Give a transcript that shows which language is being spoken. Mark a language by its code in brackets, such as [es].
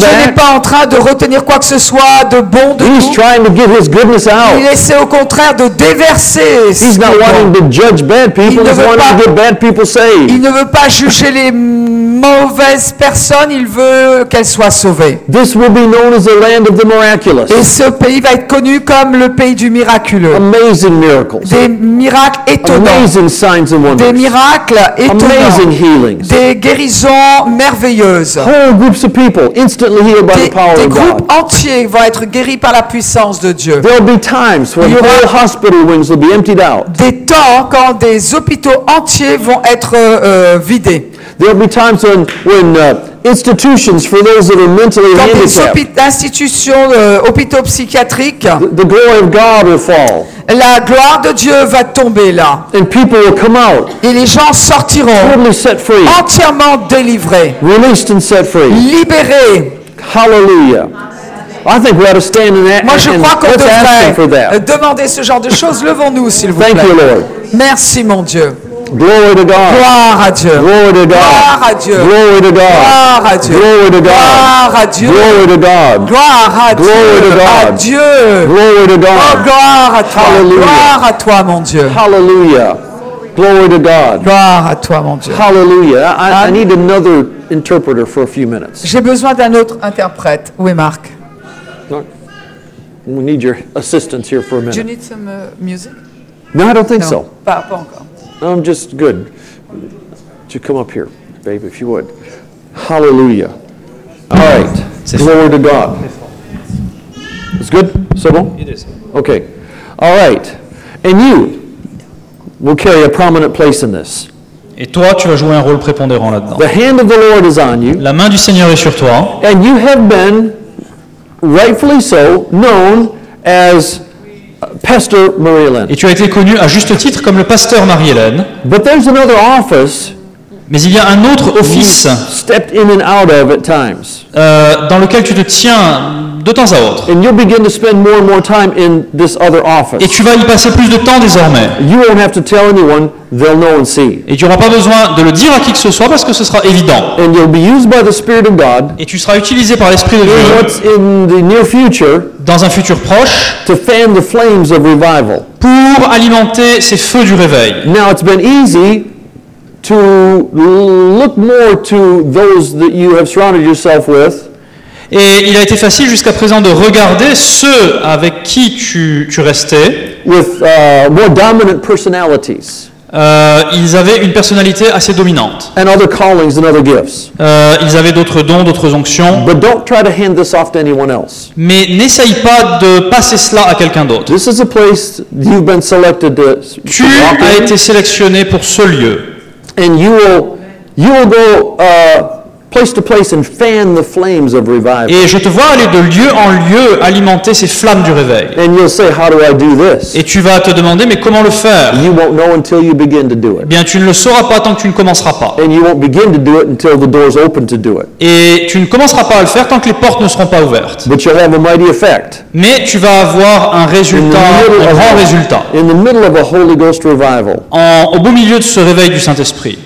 [fr] Je n'ai pas en train de retenir quoi que ce soit de bon de [en] He's [fr] tout. [en] Trying to give his goodness out. [fr] Il essaie au contraire de déverser. [en] He's not wanting to judge bad people. [fr] Il ne veut pas juger les mauvaises personnes, il veut qu'elles soient sauvées. [en] This will be known as the land of the miraculous. [fr] Et ce pays va être connu comme le pays du miraculeux. [en] Amazing miracles. [fr] Des miracles étonnants. [en] Amazing signs and wonders. [fr] Des miracles étonnants. [en] Amazing healings. [fr] Des guérisons merveilleuses. [en] Whole groups of people instantly healed by the power of God. [fr] Des groupes entiers vont être guéris par la puissance de Dieu. [en] There will be times when whole hospital wings will be emptied out. [fr] Des temps quand des hôpitaux entiers vont être vidés. [en] There will be times when institutions for those that are mentally [fr] quand [en] handicapped. [fr] Quand des institutions, hôpitaux psychiatriques. [en] The glory of God will fall. [fr] La gloire de Dieu va tomber là. [en] And people will come out. [fr] Et les gens sortiront. [en] Totally set free. [fr] Entièrement délivrés. [en] Released and set free. [fr] Libérés. [en] Hallelujah. I think we ought to stand in that. [fr] Moi, je crois qu'on devrait demander ce genre de choses. Levons-nous, s'il vous plaît. [en] Thank you, Lord. [fr] Merci, mon Dieu. [en] Glory to God. [fr] Gloire à Dieu. [en] Glory to God. [fr] Gloire à Dieu. [en] Glory to God. [fr] Gloire à Dieu. [en] Glory to God. [fr] Gloire à Dieu. [en] Glory to God. [fr] Gloire à Dieu. Oh, gloire à toi. Gloire à toi, mon Dieu. [en] Hallelujah. Glory to God. [fr] Gloire à toi, mon Dieu. [en] Hallelujah. I need another interpreter for a few minutes. [fr] J'ai besoin d'un autre interprète. Où est Marc? [en] We need your assistance here for a minute. Do you need some music? No, I don't think [fr] non. [en] so. [fr] Pas encore. [en] I'm just good. To come up here, babe, if you would. Hallelujah. All right. [fr] C'est [en] Glory [fr] fort. [en] To God. It's good? [fr] C'est bon? [en] It is. Okay. All right. And you will carry a prominent place in this. [fr] Et toi, tu vas jouer un rôle prépondérant là-dedans. [en] The hand of the Lord is on you. [fr] La main du Seigneur est sur toi. [en] And you have been rightfully so known as Pastor Marie-Hélène. [fr] Et tu as été connu à juste titre comme le pasteur Marie-Hélène. [en] But there's another office. [fr] Mais il y a un autre office. [en] Stepped in and out of at times. [fr] Dans lequel tu te tiens de temps à autre. [en] And you'll begin to spend more and more time in this other office. [fr] Et tu vas y passer plus de temps désormais. [en] You won't have to tell anyone, they'll know and see. [fr] Et tu n'auras pas besoin de le dire à qui que ce soit parce que ce sera évident. [en] And you'll be used by the Spirit of God. [fr] Et tu seras utilisé par l'Esprit de Dieu. [en] In what's in the near future. [fr] Dans un futur proche. [en] To fan the flames of revival. [fr] Pour alimenter ces feux du réveil. [en] Now it's been easy to look more to those that you have surrounded yourself with. [fr] Et il a été facile jusqu'à présent de regarder ceux avec qui tu restais. [en] With more dominant personalities. [fr] Ils avaient une personnalité assez dominante. [en] And other callings and other gifts. [fr] Ils avaient d'autres dons, d'autres onctions. [en] But don't try to hand this off to anyone else. [fr] Mais n'essaye pas de passer cela à quelqu'un d'autre. [en] This is a place you've been selected to. [fr] Tu as été sélectionné pour ce lieu. [en] And you will go. Place to place and fan the flames of revival. [fr] Et je te vois aller de lieu en lieu alimenter ces flammes du réveil. [en] And you'll say, how do I do this? [fr] Et tu vas te demander, mais comment le faire? [en] You won't know until you begin to do it. [fr] Bien, tu ne le sauras pas tant que tu ne commenceras pas. [en] And you won't begin to do it until the doors open to do it. [fr] Et tu ne commenceras pas à le faire tant que les portes ne seront pas ouvertes. [en] But you'll have a mighty effect. [fr] Mais tu vas avoir un résultat, un grand résultat. [en] In the middle of a Holy Ghost revival. [fr] Au beau milieu de ce réveil du Saint-Esprit.